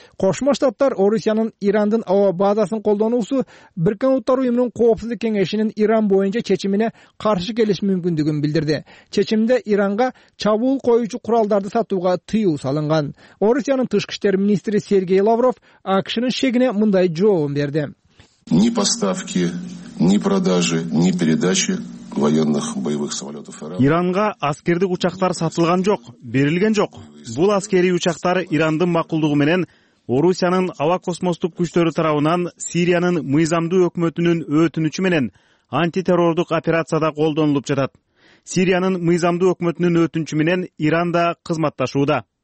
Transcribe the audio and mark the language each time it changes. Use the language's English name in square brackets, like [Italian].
[Kyrgyz] Кошмо Штаттар Орусиянын Ирандын аба базасын колдонуусу Биркен Улуттар Уюмунун Коопсуздук Кеңешинин Иран боюнча чечимине каршы келиш мүмкүндүгүн билдирди. Чечимде Иранга чабуул коюучу куралдарды сатууга тыюу салынган. Орусиянын тышкы иштер министри Сергей Лавров АКШнын шегине мындай жообун берди. [Russian] Ни поставки, ни продажи, ни передачи военных боевых самолетов Иран. [Kyrgyz] Иранга аскердик учактар сатылган жок, берилген жок. Бул аскерий учактар Ирандын макулдугу менен Орусиянын аба космостук күчтөрү тарабынан Сириянын мыйзамдуу өкмөтүнүн өтүнүчү менен антитеррордук операцияда колдонулуп жатат. Сириянын мыйзамдуу өкмөтүнүн өтүнчү менен Иран да кызматташууда.